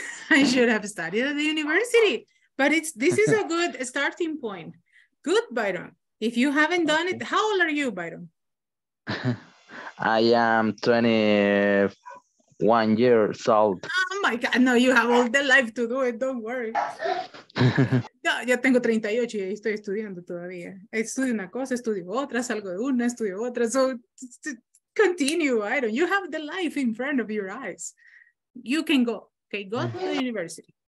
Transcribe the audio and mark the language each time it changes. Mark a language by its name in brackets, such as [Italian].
[English] I should have studied at the university. But this is a good starting point. Good, Byron. If you haven't done it, how old are you, Byron? I am 21 years old. Oh my God, no, you have all the life to do it, don't worry. [Spanish] Yo tengo 38 y estoy estudiando todavía. Estudio una cosa, estudio otra, salgo de una, estudio otra. [English] So continue, Iron. You have the life in front of your eyes. You can go, okay, go to the university.